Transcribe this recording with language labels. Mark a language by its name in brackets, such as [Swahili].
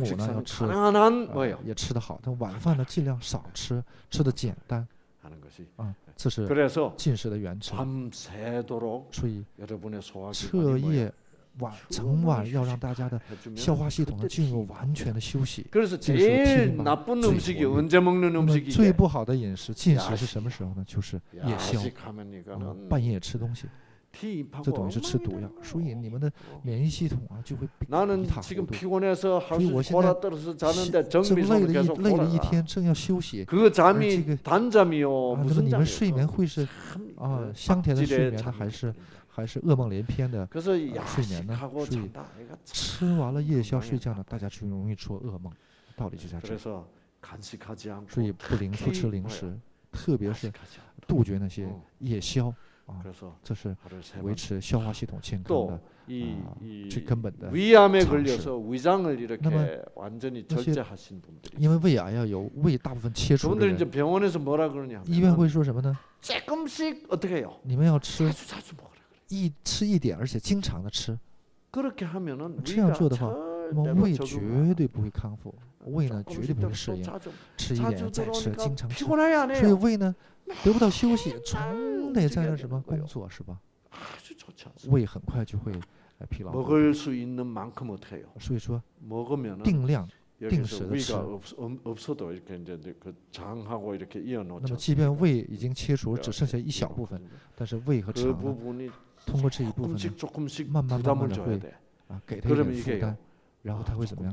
[Chinese] 午呢要吃，也吃得好，但晚饭呢尽量少吃，吃的简单。 [Korean] 하는것이 [Chinese] 啊，这是 [Korean] 그래서 [Chinese] 进食的原则。 [Korean] 밤새도록 [Chinese] 注意 [Korean] 여러분의소화기관 [Chinese] 彻夜晚整晚要让大家的消化系统呢进入完全的休息。 [Korean] 그래서제일나쁜음식이언제먹는음식이 [Chinese] 最不好的饮食进食是什么时候呢？就是夜宵，半夜吃东西，这等于是吃毒药。所以你们的免疫系统啊就会一塌糊涂。 [Korean] 지금피곤해서하루종일떨어져자는데정신이 [Chinese] 累了一天，正要休息。 [Korean] 그잠이단잠이요무슨잠이 [Chinese] 你们睡眠会是啊香甜的睡眠呢，还是噩梦连篇的睡眠呢？所以吃完了夜宵睡觉呢，大家就容易出噩梦，道理就在这。所以不吃零食，特别是杜绝那些夜宵啊，这是维持消化系统健康的最根本的常识。那么那些因为胃癌要有胃大部分切除的人，医院会说什么呢？ [Korean] 조금씩어떻게요？ [Chinese] 你们要吃。一吃一点，而且经常的吃，这样做的话，那么胃绝对不会康复，胃呢绝对不会适应，吃一点再吃，经常吃，所以胃呢得不到休息，总得在那什么工作是吧？胃很快就会 [Korean] 먹을 수 있는 만큼 어떻게 해요? [Chinese] 所以说, [Korean] 먹으면은 [Chinese] 定量, 定时的吃. [Korean] 위가 없어도 이렇게 이제 그 장하고 이렇게 이어놓죠. [Chinese] 那么即便胃已经切除, 只剩下一小部分, 但是胃和肠呢, [Korean] 그 부분이 [Chinese] 통과这一部分呢, [Korean] 조금씩 부담을 줘야 돼. [Chinese] 给他一点负担, 然后他会怎么样?